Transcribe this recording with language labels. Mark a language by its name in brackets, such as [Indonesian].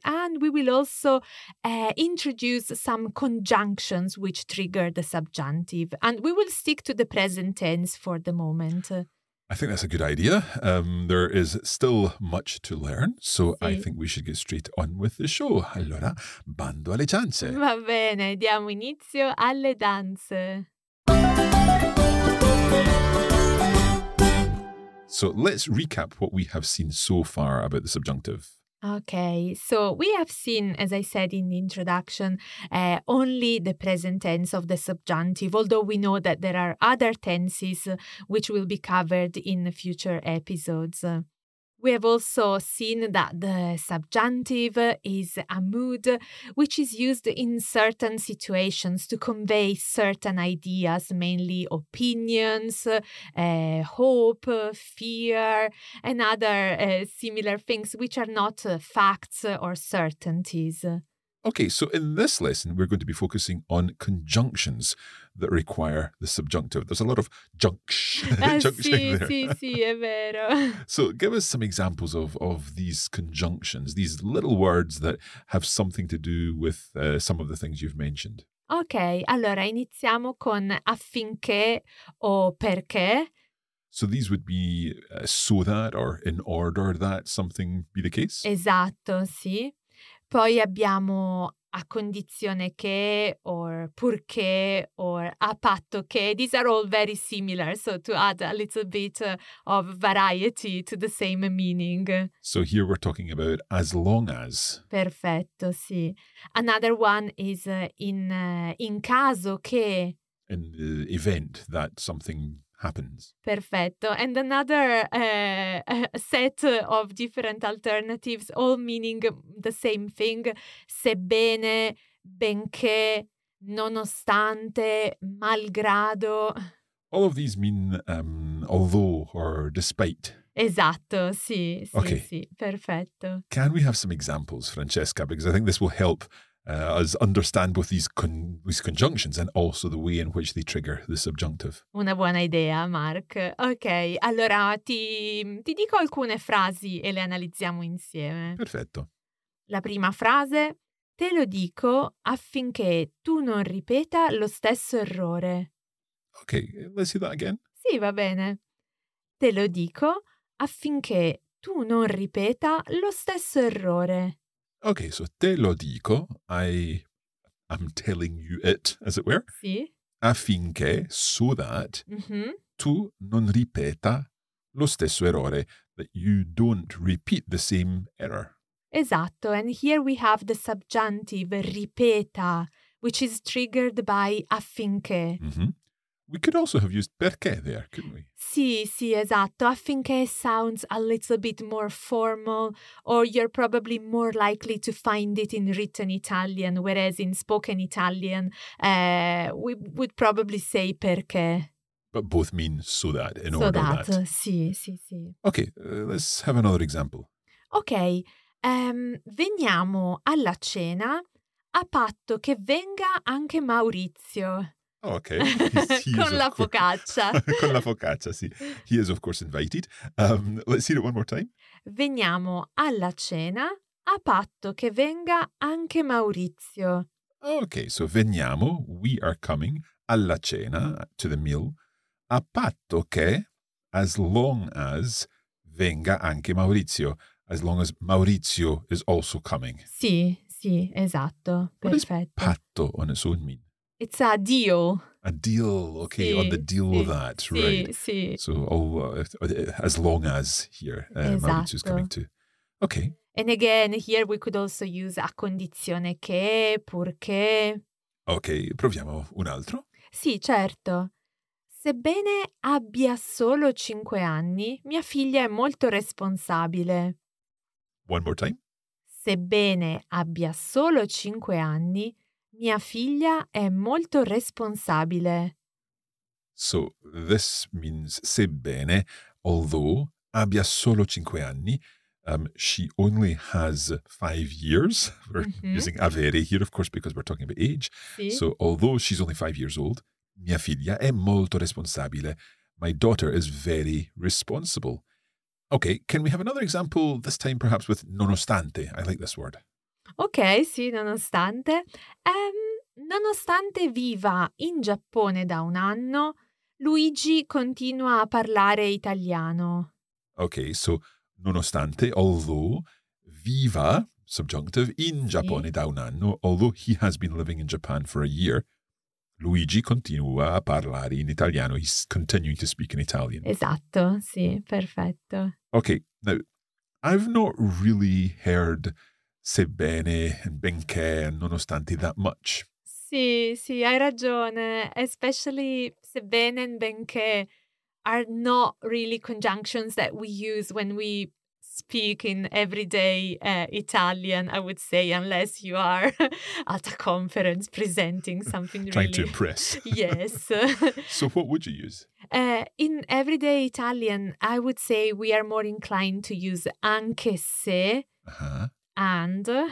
[English] And we will also introduce some conjunctions which trigger the subjunctive, and we will stick to the present tense for the moment. I think that's a good idea. There is still much to learn, so [Italian] sì. [English] I think we should get straight on with the show. [Italian] Allora, bando alle ciance. Va bene, diamo inizio alle danze. [English] So let's recap what we have seen so far about the subjunctive. Okay, so we have seen, as I said in the introduction, only the present tense of the subjunctive, although we know that there are other tenses which will be covered in future episodes. We have also seen that the subjunctive is a mood which is used in certain situations to convey certain ideas, mainly opinions, hope, fear, and other similar things which are not facts or certainties. Okay, so in this lesson, we're going to be focusing on conjunctions that require the subjunctive. There's a lot of junction [Italian] sì, [English] there. [Italian] Sì, è vero. [English] So give us some examples of these conjunctions, these little words that have something to do with some of the things you've mentioned. [Italian] Okay, allora iniziamo con affinché o perché. [English] So these would be so that or in order that something be the case? [Italian] Esatto, sì. Poi abbiamo a condizione che, [English] or [Italian] purché, or a patto che. [English] These are all very similar, so to add a little bit of variety to the same meaning. So here we're talking about as long as. [Italian] Perfetto, sì. [English] Another one is in caso che. In the event that something happens. [Italian] Perfetto. [English] And another set of different alternatives, all meaning the same thing. [Italian] Sebbene, benché, nonostante, malgrado. [English] All of these mean although or despite. [Italian] Esatto, sì, sì, okay. Sì, perfetto. [English] Can we have some examples, Francesca? Because I think this will help us understand both these conjunctions and also the way in which they trigger the subjunctive. [Italian] Una buona idea, Mark. Ok, allora ti dico alcune frasi e le analizziamo insieme. Perfetto. La prima frase, te lo dico affinché tu non ripeta lo stesso errore. [English] Ok, let's see that again. [Italian] Sì, va bene. Te lo dico affinché tu non ripeta lo stesso errore. [English] Okay, so [Italian] te lo dico, [English] I'm telling you it, as it were. [Italian] Sì. [English] Affinché, so that, mm-hmm. [Italian] tu non ripeta lo stesso errore, [English] that you don't repeat the same error. [Italian] Esatto, [English] and here we have the subjunctive, ripeta, which is triggered by affinché. Mm-hmm. We could also have used perché there, couldn't we? [Italian] Sì, sì, esatto. [English] Affinché sounds a little bit more formal, or you're probably more likely to find it in written Italian, whereas in spoken Italian, we would probably say perché. But both mean so that, in so order that. That. [Italian] Sì, sì, sì. [English] Okay, let's have another example. [Italian] Okay, veniamo alla cena a patto che venga anche Maurizio. [English] Okay. He [Italian] con la focaccia. Con la focaccia, sì. [English] He is, of course, invited. Let's hear it one more time. [Italian] Veniamo alla cena a patto che venga anche Maurizio. [English] Okay, so [Italian] veniamo, [English] we are coming, [Italian] alla cena, [English] to the meal, [Italian] a patto che, [English] as long as, [Italian] venga anche Maurizio, [English] as long as Maurizio is also coming. [Italian] Sì, sì, esatto, perfetto. [English] What does patto on its own mean? It's a deal. A deal, okay, [Italian] sì, [English] on the deal sì, of that, [Italian] sì, [English] right. [Italian] Sì, sì. [English] So as long as here [Italian] esatto. [English] Maurizio is coming too. Okay. And again, here we could also use a condizione che, purché. [Italian] Ok, proviamo un altro. Sì, certo. Sebbene abbia solo 5 anni, mia figlia è molto responsabile. [English] One more time. [Italian] Sebbene abbia solo 5 anni, mia figlia è molto responsabile. [English] So, this means [Italian] sebbene, [English] although, [Italian] abbia solo 5 anni, [English] she only has 5 years. We're using avere here, of course, because we're talking about age. [Italian] Sì. [English] So although she's only 5 years old, [Italian] mia figlia è molto responsabile. [English] My daughter is very responsible. Okay, can we have another example, this time perhaps with nonostante? I like this word. [Italian] Okay, sì, nonostante. Nonostante viva in Giappone da un anno, Luigi continua a parlare italiano. [English] Okay, so... [Italian] Nonostante, [English] although, [Italian] viva, [English] subjunctive, [Italian] in Giappone sì. Da un anno, [English] although he has been living in Japan for a year, [Italian] Luigi continua a parlare in italiano. [English] He's continuing to speak in Italian. [Italian] Esatto, sì, perfetto. [English] Okay, now, I've not really heard sebbene and benché and nonostante that much. [Italian] Sì, sì, hai ragione, [English] especially [Italian] sebbene and benché. [English] Are not really conjunctions that we use when we speak in everyday Italian, I would say, unless you are at a conference presenting something trying really... to impress. Yes. So what would you use? In everyday Italian, I would say we are more inclined to use [Italian] anche se [English] and.